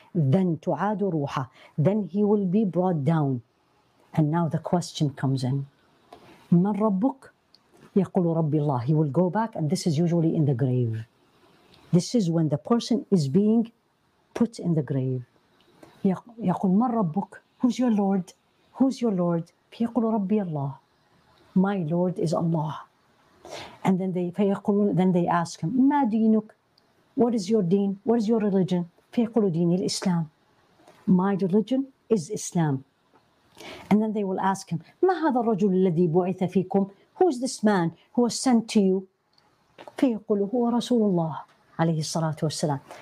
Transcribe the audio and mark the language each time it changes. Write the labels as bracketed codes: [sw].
[en] Then [ar] تعاد روحه, [en] then he will be brought down. And now the question comes in, [ar] من ربك؟ يقول ربي الله. [en] He will go back, and this is usually in the grave. This is when the person is being put in the grave. [ar] يقول من ربك؟ [en] Who's your Lord? Who's your Lord? [ar] يقول ربي الله. [en] My Lord is Allah. And then they ask him, [ar] ما دينك? [en] What is your deen? What is your religion? [ar] فيقول ديني الإسلام. [en] My religion is Islam. And then they will ask him, [ar] ما هذا الرجل الذي بعث فيكم? [en] Who is this man who was sent to you? [ar] فيقول هو رسول الله عليه الصلاة والسلام.